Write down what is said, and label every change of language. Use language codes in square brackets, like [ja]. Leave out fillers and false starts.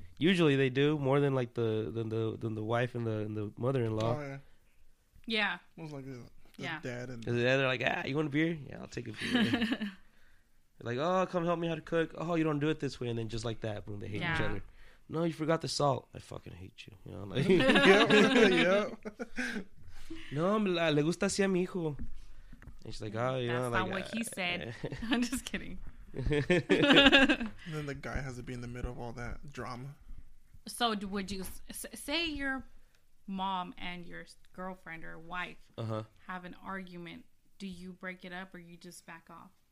[en] Usually they do more than like the wife and the mother-in-law. Oh yeah. Yeah. Most likely. Yeah. Dad and they're like, ah, you want a beer? Yeah, I'll take a beer. Like, oh, come help me how to cook. Oh, you don't do it this way. And then just like that, boom, they hate each other. No, you forgot the salt. I fucking hate you. You know, like, [es] No, le gusta así a mi hijo. [en] And she's like, oh, you That's know, like, not what he said. I'm just kidding. And then the guy has to be in the middle of all that drama. So would you say you're mom and your girlfriend or wife have an argument, do you break it up or you just back off?